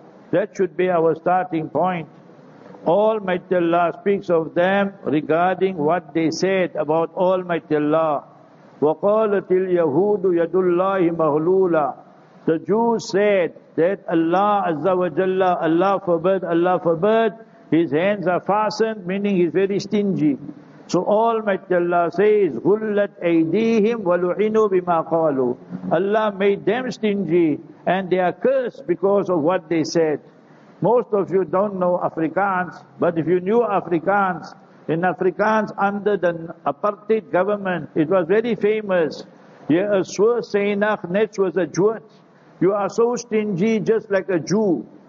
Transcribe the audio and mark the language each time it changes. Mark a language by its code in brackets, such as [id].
[en] That should be our starting point. Almighty Allah speaks of them regarding what they said about Almighty Allah. [ar] وَقَالَتِ الْيَهُودُ يَدُ اللَّهِ مَغْلُولًا. [en] The Jews said that Allah Azza wa Jalla, Allah forbid, His hands are fastened, meaning He's very stingy. So Almighty Allah says, [ar] غُلَّتْ أَيْدِيهِمْ وَلُعِنُوا بِمَا قَالُوا. [en] Allah made them stingy and they are cursed because of what they said. Most of you don't know Afrikaans, but if you knew Afrikaans, in Afrikaans under the apartheid government, it was very famous. Yeah, was a Jewet. You are so stingy just like a Jew.